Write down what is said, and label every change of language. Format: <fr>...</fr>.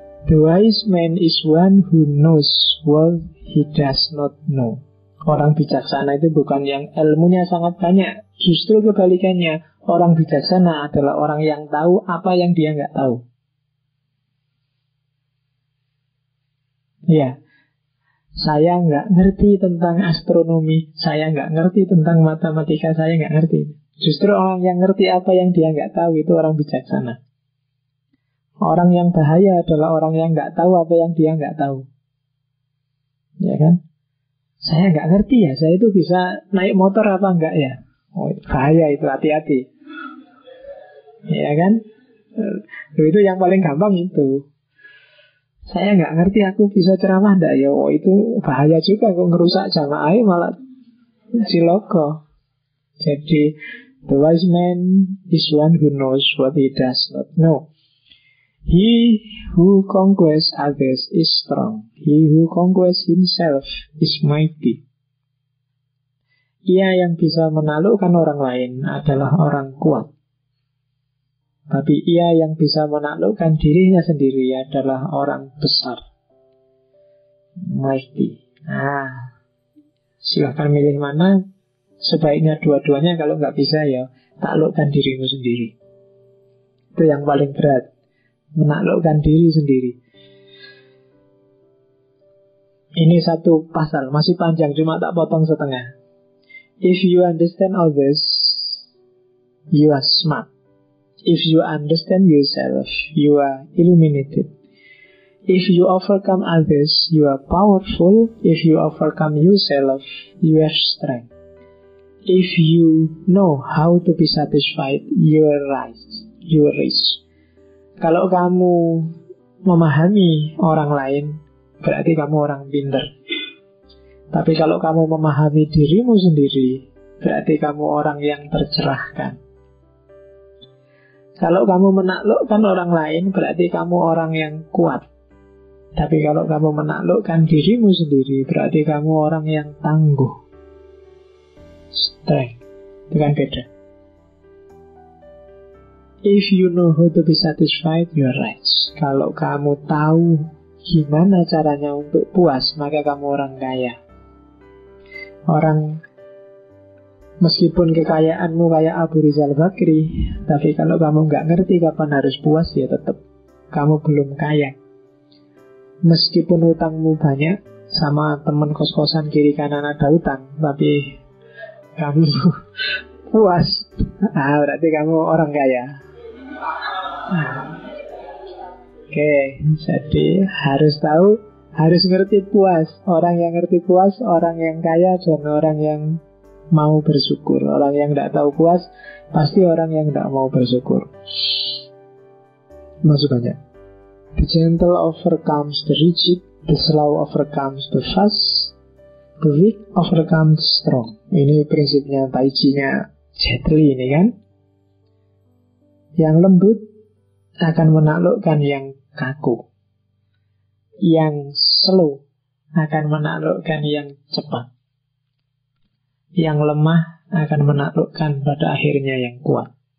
<en>The wise man is one who knows what he does not know.</en> <id>Orang bijaksana itu bukan yang ilmunya sangat banyak, justru kebalikannya. Orang bijaksana adalah orang yang tahu apa yang dia enggak tahu. Ya, saya enggak ngerti tentang astronomi, saya enggak ngerti tentang matematika, saya enggak ngerti. Justru orang yang ngerti apa yang dia enggak tahu itu orang bijaksana. Orang yang bahaya adalah orang yang enggak tahu apa yang dia enggak tahu. Ya kan? Saya enggak ngerti ya, saya itu bisa naik motor apa enggak ya? Oh, bahaya itu, hati-hati. Ya kan? Itu yang paling gampang itu. Saya enggak ngerti aku bisa ceramah enggak ya? Oh, itu bahaya juga kok ngerusak jamaah malah ciloko.</id> <en>Jadi, the wise man is one who knows what he does not know. He who conquers others is strong. He who conquers himself is mighty.</en> <id>Ia yang bisa menaklukkan orang lain adalah orang kuat. Tapi ia yang bisa menaklukkan dirinya sendiri adalah orang besar. Mighty. Nah, silakan milih mana. Sebaiknya dua-duanya, kalau enggak bisa ya, taklukkan dirimu sendiri. Itu yang paling berat. Menaklukkan diri sendiri. Ini satu pasal, masih panjang, cuma tak potong setengah.</id> <en>If you understand all this, you are smart. If you understand yourself, you are illuminated. If you overcome others, you are powerful. If you overcome yourself, you have strength. If you know how to be satisfied, you are rich. You are rich.</en> <id>Kalau kamu memahami orang lain, berarti kamu orang pintar. Tapi kalau kamu memahami dirimu sendiri, berarti kamu orang yang tercerahkan. Kalau kamu menaklukkan orang lain, berarti kamu orang yang kuat. Tapi kalau kamu menaklukkan dirimu sendiri, berarti kamu orang yang tangguh. Strength. Itu kan beda.</id> <en>If you know how to be satisfied, you are rich.</en> <id>Kalau kamu tahu gimana caranya untuk puas, maka kamu orang kaya. Orang meskipun kekayaanmu kayak Abu Rizal Bakri, tapi kalau kamu gak ngerti kapan harus puas, ya tetap kamu belum kaya. Meskipun utangmu banyak, sama teman kos-kosan kiri kanan ada utang, tapi kamu puas, berarti kamu orang kaya. Oke, jadi harus tahu, harus ngerti puas. Orang yang ngerti puas, orang yang kaya, dan orang yang mau bersyukur. Orang yang gak tahu puas, pasti orang yang gak mau bersyukur. Maksudnya,</id> <en>the gentle overcomes the rigid, the slow overcomes the fast, the weak overcomes strong.</en> <id>Ini prinsipnya Tai Chi-nya Jet Li ini kan. Yang lembut akan menaklukkan yang kaku. Yang slow akan menaklukkan yang cepat. Yang lemah akan menaklukkan pada akhirnya yang kuat.</id>